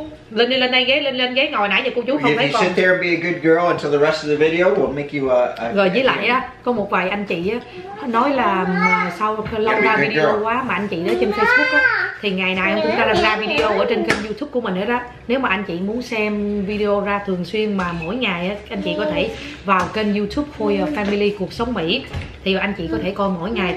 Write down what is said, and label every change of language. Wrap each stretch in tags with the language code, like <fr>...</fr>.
<vi>Lên đi, lên đây ghế, lên ghế ngồi, nãy giờ cô chú không thấy con.</vi> <en>If you sit there and be a good girl until the rest of the video, we'll make you</en> <vi>Rồi với lại á, có một vài anh chị á nói là sau lâu ra video quá mà anh chị đó trên Facebook á, thì ngày nay em cũng ra video ở trên kênh YouTube của mình hết á. Nếu mà anh chị muốn xem video ra thường xuyên mà mỗi ngày á, anh chị có thể vào kênh YouTube Hoya Family Cuộc Sống Mỹ, thì anh chị có thể coi mỗi ngày.</vi>